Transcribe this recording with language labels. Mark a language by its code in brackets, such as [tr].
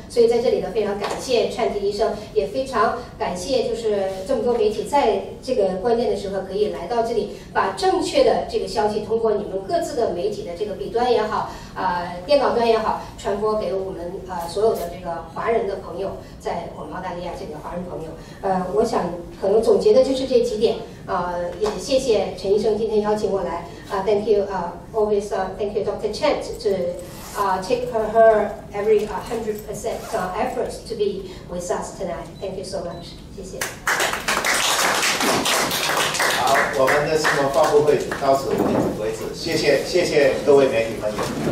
[zh] 所以在这里呢，非常感谢颤迪医生，也非常感谢就是这么多媒体在这个关键的时候可以来到这里，把正确的这个消息通过你们各自的媒体的这个笔端也好，电脑端也好，传播给我们所有的这个华人的朋友，在我们澳大利亚这个华人朋友。我想可能总结的就是这几点。也谢谢陈医生今天邀请我来。 [en] Thank you, always thank you, Dr. Chen, to take her every 100% effort to be with us tonight. Thank you so much. [zh] 谢谢。好，我们的什么发布会到此为止，谢谢各位媒体朋友。